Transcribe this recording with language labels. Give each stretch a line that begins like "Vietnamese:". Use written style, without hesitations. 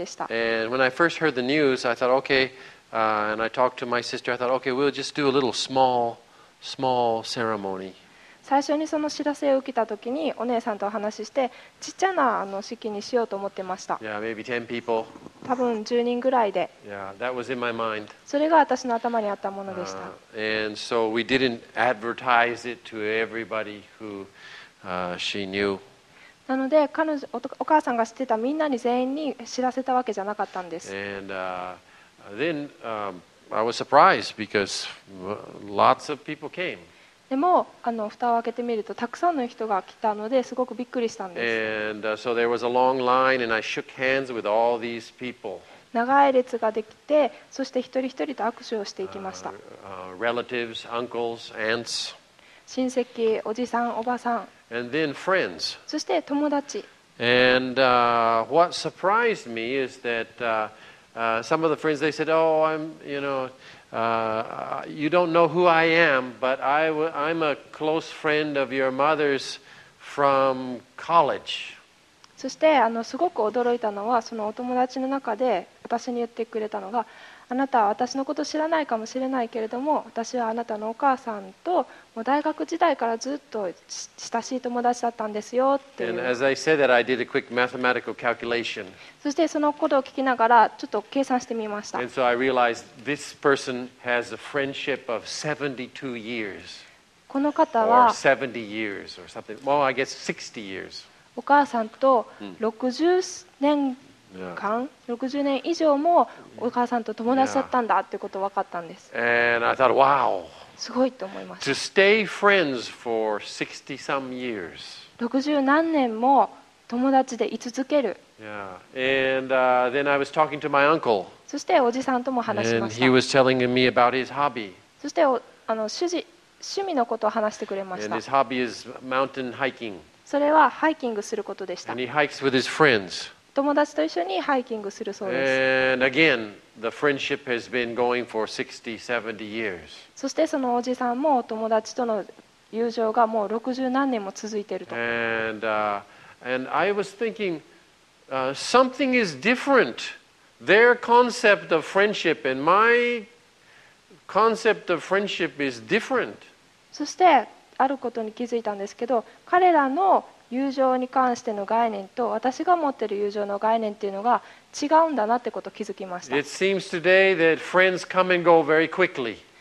English: And when I first heard the news, I thought, okay, and I talked to my sister, I thought, okay, we'll just do a little small ceremony.
Japanese: 最初にその知らせを受けた時にお姉さんとお話しして、ちっちゃなあの式にしようと思ってました。
English: Yeah, maybe 10 people.
Japanese: 多分10人ぐらいで。
English: Yeah, that was in my mind.
Japanese: それが私の頭にあったものでした。
English: And so we didn't advertise it to everybody who, she knew.
Japanese: なので彼女、お母さんが知ってたみんなに全員に知らせたわけじゃなかったんです。
English: And, then, I was surprised because lots of people came.
Japanese: でもあの蓋を開けてみるとたくさんの人が来たのですごくびっくりしたんです。
English: And, so there was a long line and I shook hands with all these people.
Japanese: 長い列ができてそして一人一人と握手をしていきました。
English: Relatives, uncles, aunts.
Japanese: 親戚、おじさん、おばさん。
English: And then friends.
Japanese: そして友達。
English: And, what surprised me is that, some of the friends they said, oh, I'm, you know,you don't know who I am, but I'm a close friend of your mother's from college.
Japanese: そしてあのすごく驚いたのはそのお友達の中で私に言ってくれたのがあなたは私のこと知らないかもしれないけれども私はあなたのお母さんともう大学時代からずっと親しい友達だったんですよっていう。
English: And as I said that, I did a quick mathematical calculation.
Japanese: そしてそのことを聞きながらちょっと計算してみました。
English: And so I realized this person has a friendship of 72 years.
Japanese: この方は
English: Or 70 years or something. Well, I guess 60 years.
Japanese: お母さんと60年間、60年以上もお母さんと友達だったんだっていうことを分かったんです。
English: And I thought, wow.
Japanese: すごいと思いました。
English: To stay friends for 60 some years.
Japanese: 60何年も友達で居続ける。
English: Yeah. And, then I was talking to my uncle.
Japanese: そしておじさんとも話しました。
English: And he was telling me about his hobby.
Japanese: そしてあの趣味のことを話してくれました。
English: And his hobby is mountain hiking.
Japanese: それはハイキングすることでした。
English: And he hikes with his friends.
Japanese: 友達と一緒にハイキングするそうです。
English: And again,The friendship has been going for 60, 70 years.
Japanese: そしてそのおじさんも友達との友情がもう60何年も続いていると。
English: And, and I was thinking, something is different. Their concept of friendship and my concept of friendship is different.
Japanese: そしてあることに気づいたんですけど、彼らの友情に関しての概念と私が持っている友情の概念というのが違うんだなってことを気づきました。
English: It seems today that friends come and go very quickly.